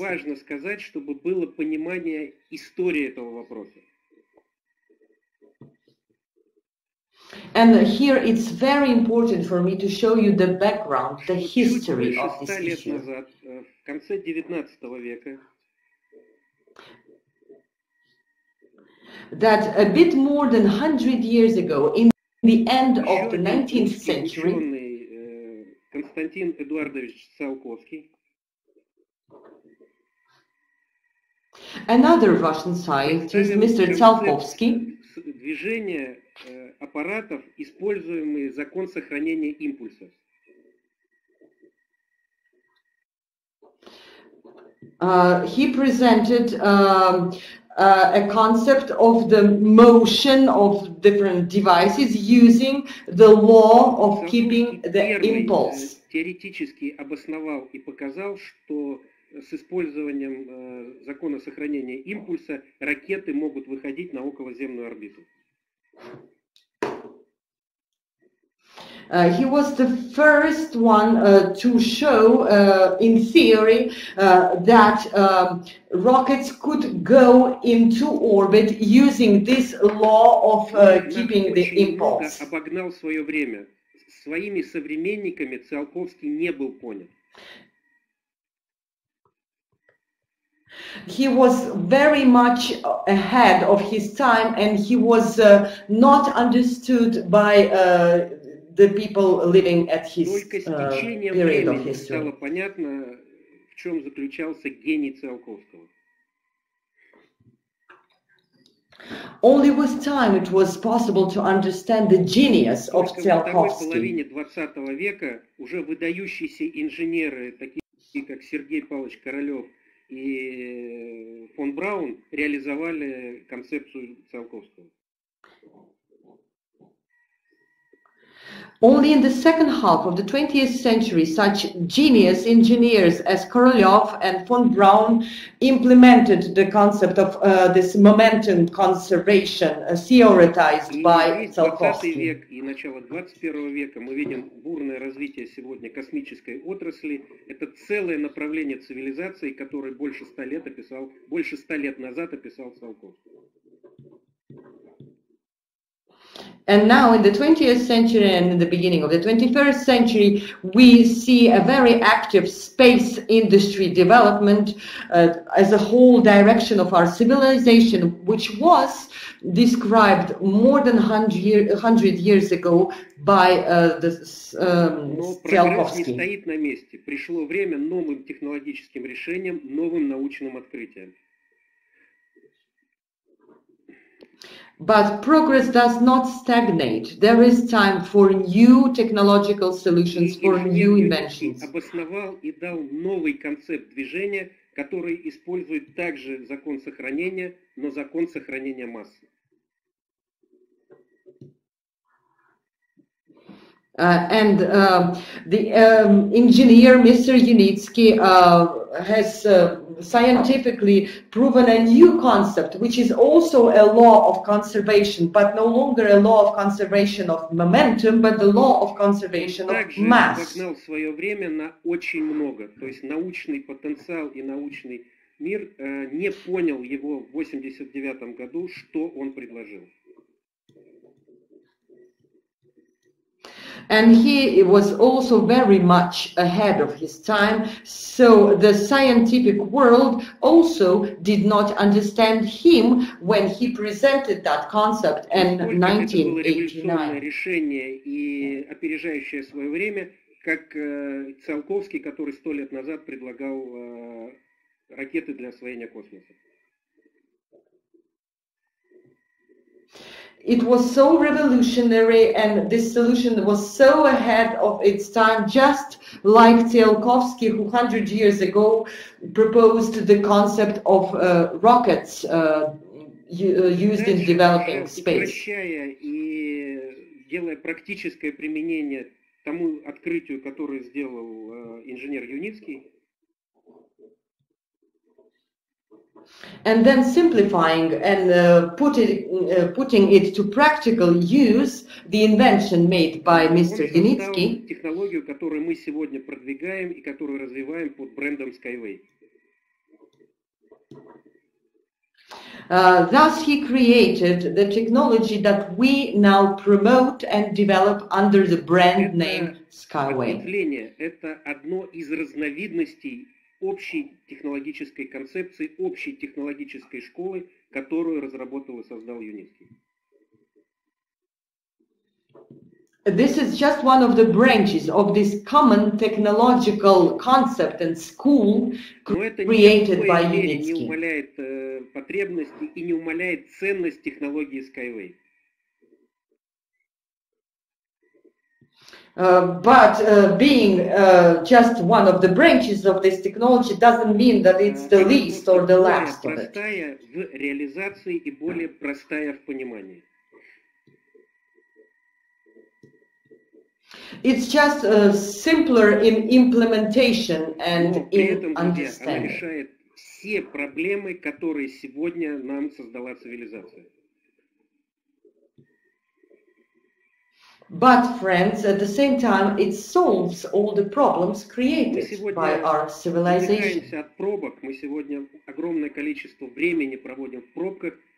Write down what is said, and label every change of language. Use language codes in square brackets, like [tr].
[ru] Очень важно сказать, чтобы было понимание истории этого вопроса. [en] And here it's very important for me to show you the background, the history of this issue. [ru] Лет назад, в конце 19 века, [en] that a bit more than 100 years ago, in the end of the 19th century, [ru] Константин Эдуардович Циолковский, [en] another Russian scientist, Mr. Циолковский, [ru] движение аппаратов, используемые закон сохранения импульса. [en] He presented a concept of the motion of different devices using the law of keeping the impulse. [ru] Теоретически обосновал и показал, что с использованием закона сохранения импульса ракеты могут выходить на околоземную орбиту. [en] He was the first one to show, in theory, that rockets could go into orbit using this law of keeping the impulse. [ru] Обогнал свое время. Своими современниками Циолковский не был понят. [en] He was very much ahead of his time, and he was not understood by the people living at his period of history. [ru] Стало понятно, в чем заключался гений Циолковского. [en] Only with time it was possible to understand the genius of Циолковский. [ru] В половине 20 века уже выдающиеся инженеры, такие как Сергей Павлович Королёв и фон Браун, реализовали концепцию Циолковского. [en] Only in the second half of the 20th century such genius engineers as Korolev and von Braun implemented the concept of this momentum conservation theorized by Циолковский. [ru] И начало 21 века мы видим бурное развитие сегодня космической отрасли. Это целое направление цивилизации, которое больше 100 лет назад описал Циолковский. [en] And now in the 20th century and in the beginning of the 21st century, we see a very active space industry development as a whole direction of our civilization, which was described more than 100 years ago by Циолковский. [ru] Но прогресс не стоит на месте. Пришло время новым технологическим решениям, новым научным открытиям. [en] But progress does not stagnate. There is time for new technological solutions, for new inventions. [ru] Обосновал и дал новый концепт движения, который использует также закон сохранения, но закон сохранения массы. [en] And engineer Mr. Yunitsky has scientifically proven a new concept, which is also a law of conservation, but no longer a law of conservation of momentum, but the law of conservation of mass. [ru] Также обогнал свое время на очень много, то есть научный потенциал и научный мир не понял его в 89 году, что он предложил. [en] And he was also very much ahead of his time, so the scientific world also did not understand him when he presented that concept in 1989. [ru] Решение и опережающее свое время, как Циолковский, который 100 лет назад предлагал ракеты для освоения космоса. [en] It was so revolutionary, and this solution was so ahead of its time, just like Циолковский, who 100 years ago proposed the concept of rockets used in developing space. [ru] Упрощая и делая практическое применение тому открытию, которое сделал инженер Юницкий. [en] And then simplifying and putting it to practical use, the invention made by Mr. Yunitsky. [ru] Технологию, которую мы сегодня продвигаем и которую развиваем под брендом Skyway. [en] Thus he created the technology that we now promote and develop under the brand name Skyway. [ru] Это одно из разновидностей общей технологической концепции, общей технологической школы, которую разработал и создал Юницкий. [en] This is just one of the branches of this common technological concept and school created by Юницкий. [ru] Но это не умаляет потребности и не умаляет ценность технологии Skyway. [en] But being just one of the branches of this technology doesn't mean that it's the least or the last of it. [ru] Простая в реализации и более простая в понимании. [en] It's just simpler in implementation and in understanding. [ru] Она решает все проблемы, которые сегодня нам создала цивилизация. [en] But friends, at the same time, it solves all the problems created by our civilization. [ru] От пробок мы сегодня огромное количество времени проводим в пробках.